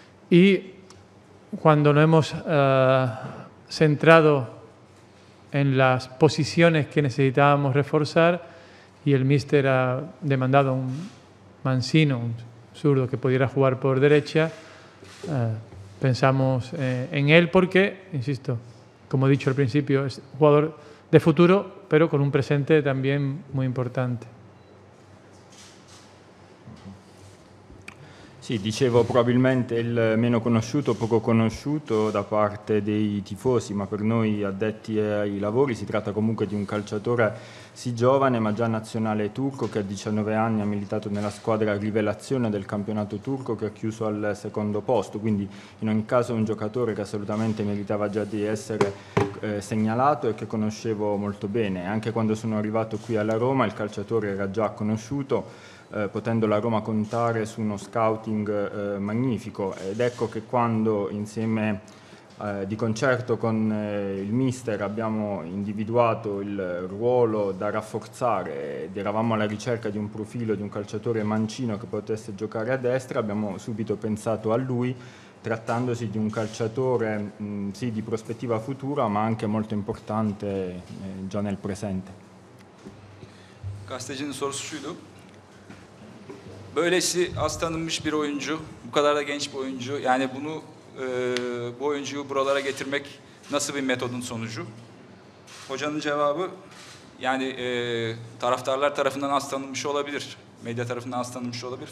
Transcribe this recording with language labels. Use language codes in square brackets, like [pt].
[es] Y cuando nos hemos centrado en las posiciones que necesitábamos reforzar y el míster ha demandado un Mancino, un zurdo que pudiera jugar por derecha, pensamos en él porque, insisto, como he dicho al principio, es jugador de futuro, pero con un presente también muy importante. [it] Sì, dicevo, probabilmente il meno conosciuto, poco conosciuto da parte dei tifosi, ma per noi addetti ai lavori si tratta comunque di un calciatore sì giovane, ma già nazionale turco, che a 19 anni ha militato nella squadra rivelazione del campionato turco, che ha chiuso al secondo posto. Quindi in ogni caso un giocatore che assolutamente meritava già di essere segnalato e che conoscevo molto bene. Anche quando sono arrivato qui alla Roma il calciatore era già conosciuto, potendo la Roma contare su uno scouting magnifico. Ed ecco che quando insieme di concerto con il mister abbiamo individuato il ruolo da rafforzare ed eravamo alla ricerca di un profilo di un calciatore mancino che potesse giocare a destra, abbiamo subito pensato a lui, trattandosi di un calciatore sì di prospettiva futura ma anche molto importante già nel presente. [tr] Gazetecinin sorusu şuydu. Böylesi az tanınmış bir oyuncu, bu kadar da genç bir oyuncu. Yani bunu, bu oyuncuyu buralara getirmek nasıl bir metodun sonucu? Hocanın cevabı, yani taraftarlar tarafından az tanınmış olabilir, medya tarafından az tanınmış olabilir.